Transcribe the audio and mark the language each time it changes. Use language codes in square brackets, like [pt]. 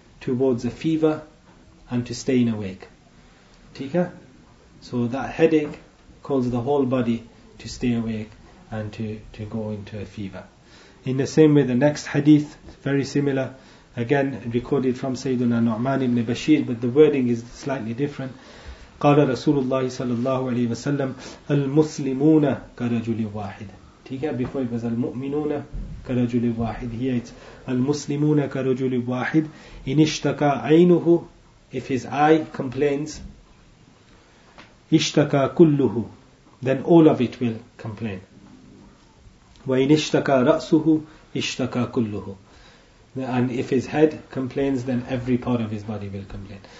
[en] towards a fever and to staying awake. Tika? So that headache causes the whole body to stay awake and to go into a fever. In the same way, the next hadith, very similar, again recorded from Sayyiduna Nu'man ibn Bashir, but the wording is slightly different. [ar] قال رسول الله صلى الله عليه وسلم المسلمون كرجل واحد. [en] Before it was [ar] المؤمنون كرجل واحد. [en] Here it's [ar] المسلمون كرجل واحد. إن اشتكى عينه, [en] if his eye complains, [ar] اشتكى كله, [en] then all of it will complain. [ar] وإن اشتكى رأسه اشتكى كله. [en] And if his head complains, then every part of his body will complain.